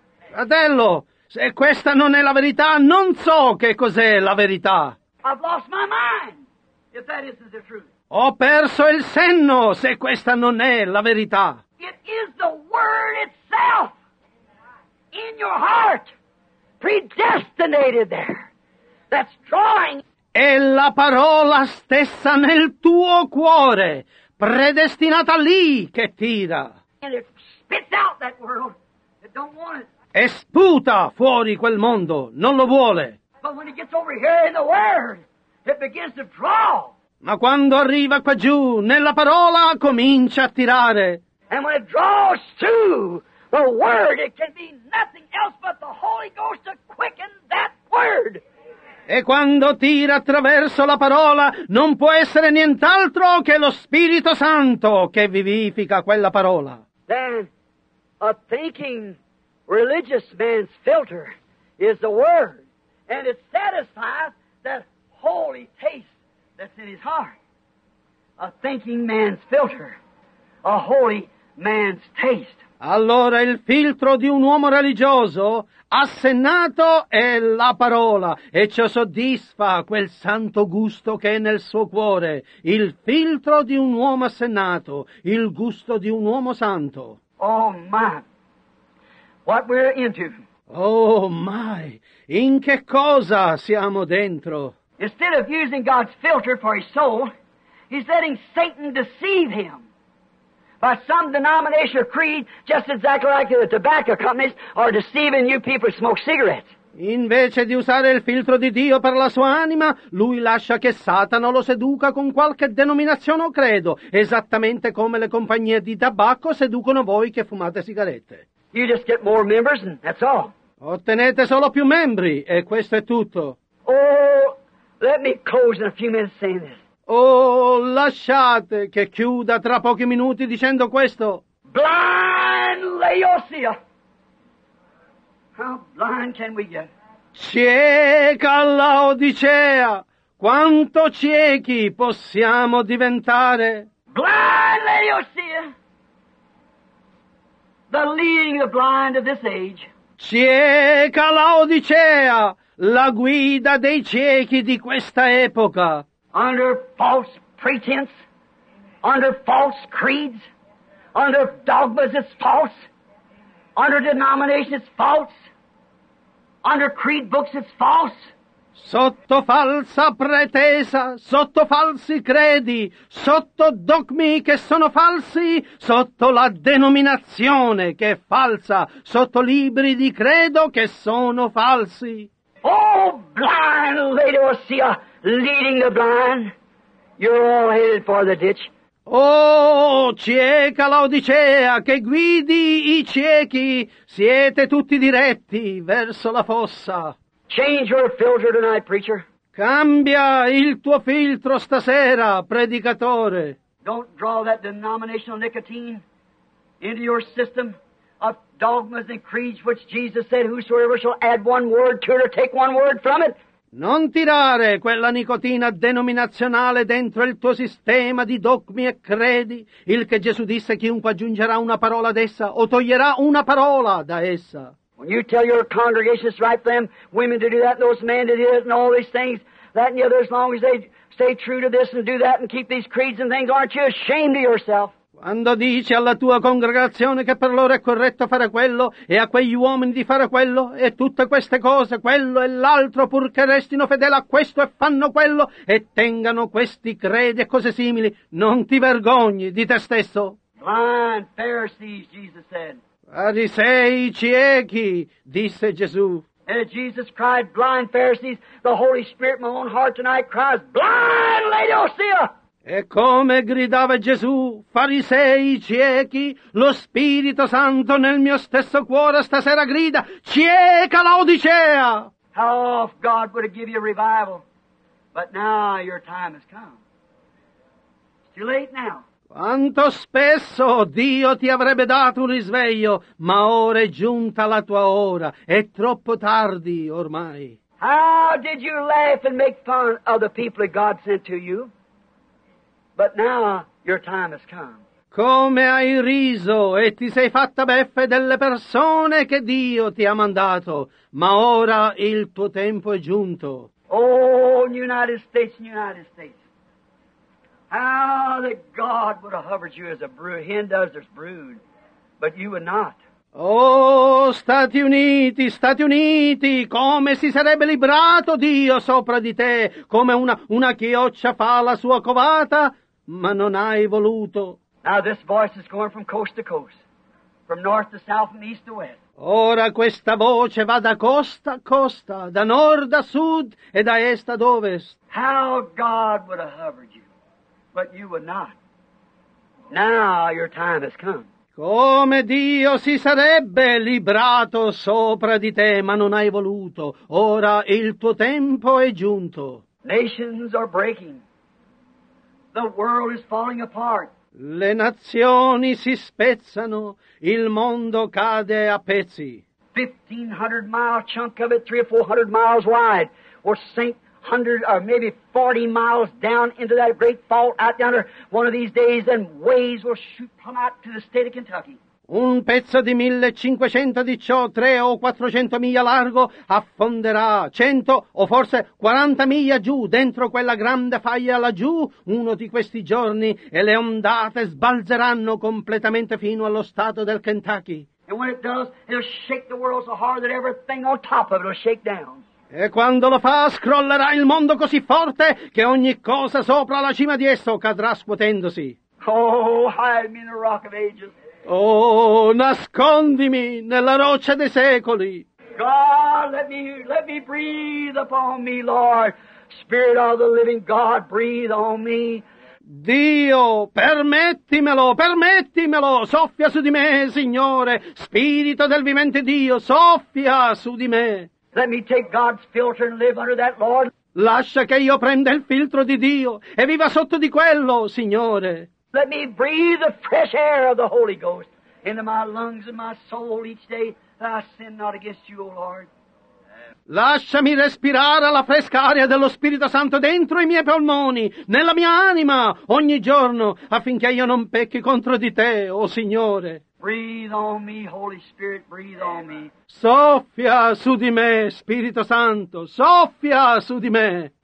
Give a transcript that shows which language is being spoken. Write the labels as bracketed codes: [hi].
[it] Fratello, se questa non è la verità, non so che cos'è la verità. [en] I've lost my mind, if that isn't the truth. [it] Ho perso il senno, se questa non è la verità. [en] It is the word itself in your heart, predestinated there, that's drawing. [it] È la parola stessa nel tuo cuore, predestinata lì, che tira. [en] And it spits out that world that don't want it. [it] E sputa fuori quel mondo, non lo vuole. [en] But when it gets over here in the word, it begins to draw. [it] Ma quando arriva qua giù, nella parola, comincia a tirare. [en] And when it draws to the word, it can be nothing else but the Holy Ghost to quicken that word. [it] E quando tira attraverso la parola, non può essere nient'altro che lo Spirito Santo che vivifica quella parola. [en] Then, a thinking religious man's filter is the word, and it satisfies that holy taste. That's in his heart. A thinking man's filter. A holy man's taste. [it] Allora il filtro di un uomo religioso assennato è la parola, e ciò soddisfa quel santo gusto che è nel suo cuore. Il filtro di un uomo assennato, il gusto di un uomo santo. [en] Oh my. What we're into. Oh my. [it] In che cosa siamo dentro? [en] Instead of using God's filter for his soul, he's letting Satan deceive him by some denomination or creed, just exactly like the tobacco companies are deceiving you people who smoke cigarettes. [it] Invece di usare il filtro di Dio per la sua anima, lui lascia che Satana lo seduca con qualche denominazione o credo, esattamente come le compagnie di tabacco seducono voi che fumate sigarette. [en] You just get more members and that's all. [it] Ottenete solo più membri e questo è tutto. Oh, [en] Let me close in a few minutes saying this. [it] Oh, lasciate che chiuda tra pochi minuti dicendo questo. [en] Blind Laodicea. How blind can we get? [it] Cieca Laodicea. Quanto ciechi possiamo diventare? [en] Blind Laodicea. The leading the blind of this age. [it] Cieca Laodicea. La guida dei ciechi di questa epoca. [en] Under false pretense, under false creeds, under dogmas that's false, under denominations that's false, under creed books that's false. [it] Sotto falsa pretesa, sotto falsi credi, sotto dogmi che sono falsi, sotto la denominazione che è falsa, sotto libri di credo che sono falsi. [en] Oh, blind Laodicea, leading the blind, you're all headed for the ditch. [it] Oh, cieca Laodicea, che guidi i ciechi, siete tutti diretti verso la fossa. [en] Change your filter tonight, preacher. [it] Cambia il tuo filtro stasera, predicatore. [en] Don't draw that denominational nicotine into your system. Dogmas and creeds which Jesus said, whosoever shall add one word to it or take one word from it. [it] Non tirare quella nicotina denominazionale dentro il tuo sistema di dogmi e credi, il che Gesù disse, chiunque aggiungerà una parola ad essa o toglierà una parola da essa. [en] When you tell your congregation it's right for them women to do that and those men to do that and all these things, that and the other, as long as they stay true to this and do that and keep these creeds and things, aren't you ashamed of yourself? [it] Quando dici alla tua congregazione che per loro è corretto fare quello, e a quegli uomini di fare quello, e tutte queste cose, quello e l'altro, purché restino fedeli a questo e fanno quello, e tengano questi credi e cose simili, non ti vergogni di te stesso. [en] Blind Pharisees, Jesus said. [it] Farisei ciechi, disse Gesù. [en] And Jesus cried, blind Pharisees, the Holy Spirit in my own heart tonight cries, blind Laodicea! [it] E come gridava Gesù, farisei ciechi, lo Spirito Santo nel mio stesso cuore stasera grida, cieca Laodicea! [en] How often God would have given you a revival, but now your time has come. It's too late now. [it] Quanto spesso Dio ti avrebbe dato un risveglio, ma ora è giunta la tua ora, è troppo tardi ormai. [en] How did you laugh and make fun of the people that God sent to you? But now your time has come. [it] Come hai riso e ti sei fatta beffe delle persone che Dio ti ha mandato, ma ora il tuo tempo è giunto. [en] Oh, United States, United States. How that God would have hovered you as a brood, hen does her brood, but you would not. [it] Oh, Stati Uniti, Stati Uniti, come si sarebbe librato Dio sopra di te, come una chioccia fa la sua covata, ma non hai voluto. [en] Now this voice is going from coast to coast, from north to south and east to west. [it] Ora questa voce va da costa a costa, da nord a sud e da est ad ovest. [en] How God would have hovered you, but you would not. Now your time has come. [it] Come Dio si sarebbe librato sopra di te, ma non hai voluto. Ora il tuo tempo è giunto. [en] Nations are breaking. The world is falling apart. [it] Le nazioni si spezzano. Il mondo cade a pezzi. [en] 1,500-mile chunk of it, 300 or 400 miles wide, or sink 100 or maybe 40 miles down into that great fault out yonder one of these days, and waves will shoot come out to the state of Kentucky. [it] Un pezzo di 1,500 di ciò, 300 or 400 miglia largo, affonderà 100 or 40 miglia giù dentro quella grande faglia laggiù uno di questi giorni, e le ondate sbalzeranno completamente fino allo stato del Kentucky. [en] And when it does, it'll shake the world so hard that everything on top of it will shake down. [it] E quando lo fa, scrollerà il mondo così forte che ogni cosa sopra la cima di esso cadrà scuotendosi. [en] Oh, hide me in the rock of ages. [it] Oh, nascondimi nella roccia dei secoli. [en] God, let me breathe upon me, Lord. Spirit of the living God, breathe on me. [it] Dio, permettimelo, permettimelo. Soffia su di me, Signore. Spirito del vivente Dio, soffia su di me. [en] Let me take God's filter and live under that, Lord. [it] Lascia che io prenda il filtro di Dio e viva sotto di quello, Signore. [en] Let me breathe the fresh air of the Holy Ghost into my lungs and my soul each day that I sin not against you, O Lord. [it] Lasciami respirare la fresca aria dello Spirito Santo dentro i miei polmoni, nella mia anima, ogni giorno, affinché io non pecchi contro di te, o Signore. [en] Breathe on me, Holy Spirit, breathe on me. [it] Soffia su di me, Spirito Santo, soffia su di me.